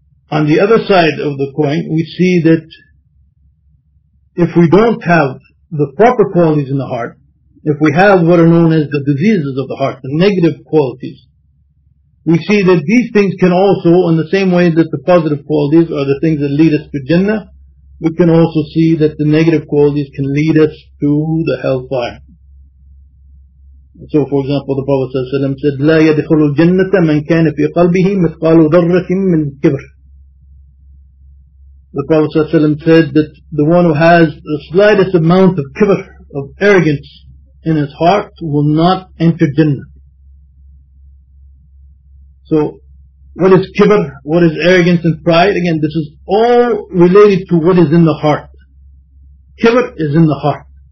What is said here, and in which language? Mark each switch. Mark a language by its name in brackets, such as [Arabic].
[English] On the other side of the coin, we see that if we don't have the proper qualities in the heart, if we have what are known as the diseases of the heart, the negative qualities, we see that these things can also, in the same way that the positive qualities are the things that lead us to Jannah, we can also see that the negative qualities can lead us to the hellfire. [Arabic] So, for example, the Prophet ﷺ said, لَا يَدْخُلُ الْجَنَّةَ مَنْ كَانَ فِي قَلْبِهِ مِثْقَالُ ذَرَّةٍ مِنْ كِبْرٍ. [English] The Prophet ﷺ said that the one who has the slightest amount of kibr, of arrogance in his heart, will not enter Jannah. So, what is kibr? What is arrogance and pride? Again, this is all related to what is in the heart. Kibr is in the heart.